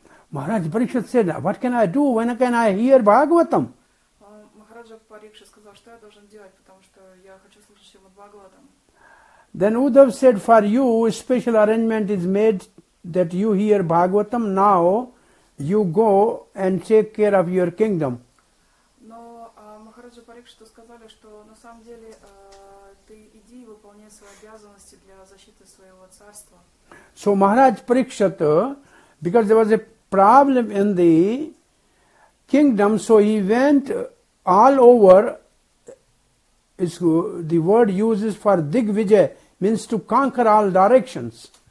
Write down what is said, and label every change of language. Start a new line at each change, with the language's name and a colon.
English: Maharaj Parikshit said, what can I do? When can I hear Bhagavatam?
Russian: Maharaj Parikshit сказал, что я должен делать, потому что я хочу слушать Шримад Бхагаватам.
English: Then Uddhav said, for you, a special arrangement is made that you hear Bhagavatam. Now you go and take care of your kingdom.
Russian: Но Maharaj Parikshit сказали, что на самом деле ты иди и выполняй свои обязанности для защиты своего царства.
English: So Maharaj Parikshit, because there was a problem in the kingdom, so he went all over, the word uses for Digvijay, means to conquer all directions.